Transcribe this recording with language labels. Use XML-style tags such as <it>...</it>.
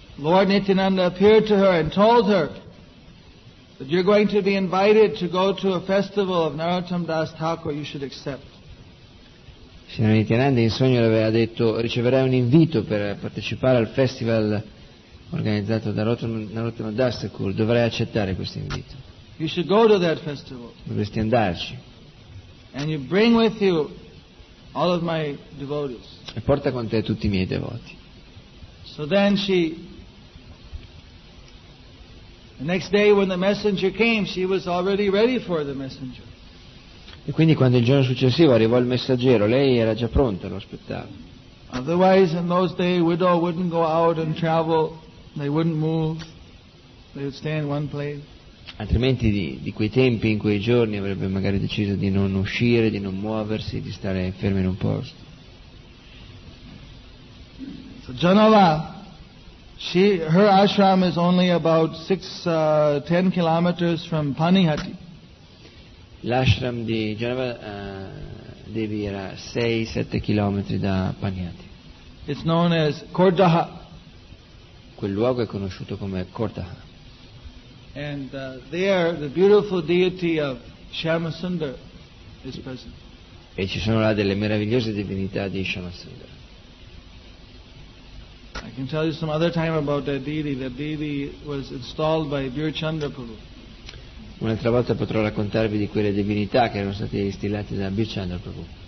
<en>Lord Nityananda appeared to her and told her that you're going to be invited to go to a festival of Narottam Das Thakur, you should accept.</en> <it>Signor Nityananda in sogno le aveva detto: "Riceverai un invito per partecipare al festival organizzato da Narottam Das Thakur, dovrai accettare questo invito.</it> <en>You should go to that festival.</en> <it>Dovresti andarci.</it> <en>And you bring with you all of my devotees."</en> <it>E porta con te tutti i miei devoti.</it> <en>So then she, the next day when the messenger came, she was already ready for the messenger.</en> <it>E quindi quando il giorno successivo arrivò il messaggero, lei era già pronta, lo aspettava.</it> <en>Otherwise in those days widow wouldn't go out and travel, they wouldn't move, they would stay in one place.</en> <it>Altrimenti di quei tempi, in quei giorni, avrebbe magari deciso di non uscire, di non muoversi, di stare ferma in un posto.</it> <en>So Janala, her ashram is only about 10 kilometers from Panihati.</en> <it>L'ashram di Janala Devi era 6-7 chilometri da Panihati.</it> <en>It's known as Kordaha.</en> <it>Quel luogo è conosciuto come Kordaha.</it> <en>And there the beautiful deity of Shyamasundar is present.</en> <it>E ci sono là delle meravigliose divinità di Shyamasundar.</it> <en>I can tell you some other time about that deity. That deity was installed by Birchandra Prabhu.</en> <it>Un'altra volta potrò raccontarvi di quelle divinità che erano state instillate da Birchandra Prabhu,</it>